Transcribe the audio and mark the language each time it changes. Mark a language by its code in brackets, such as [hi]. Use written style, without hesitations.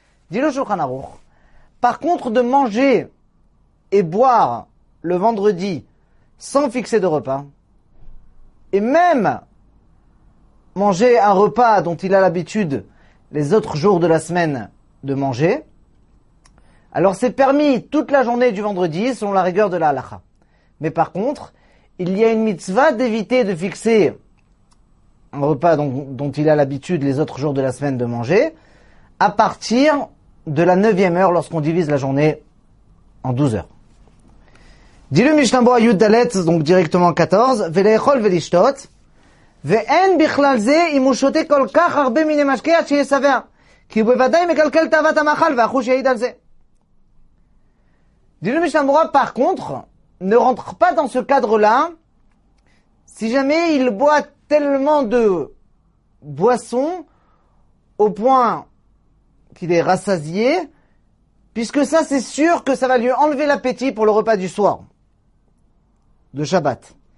[fr] Dit le Shulchan Aruch, par contre de manger et boire le vendredi sans fixer de repas, et même manger un repas dont il a l'habitude les autres jours de la semaine de manger, alors c'est permis toute la journée du vendredi selon la rigueur de la halakha. Mais par contre, il y a une mitzvah d'éviter de fixer un repas dont il a l'habitude les autres jours de la semaine de manger à partir de la 9e heure lorsqu'on divise la journée en 12 heures. Dis-le Mishnah Berurah Yud Dalet, donc directement 14, [he] « Ve'le'echol ve'lishtot » ואין בכלל זה אם הוא שותה כל כך הרבה מיני משקי עד שיהיה סבע. כי הוא בוודאי מקלקל תאוות המאכל והחוש יעיד על זה. דילו משנה ברורה, [fr] par contre, ne rentre pas dans ce cadre-là, si jamais il boit tellement de boissons, au point qu'il est rassasié, puisque ça c'est sûr que ça va lui enlever l'appétit pour le repas du soir, de Shabbat.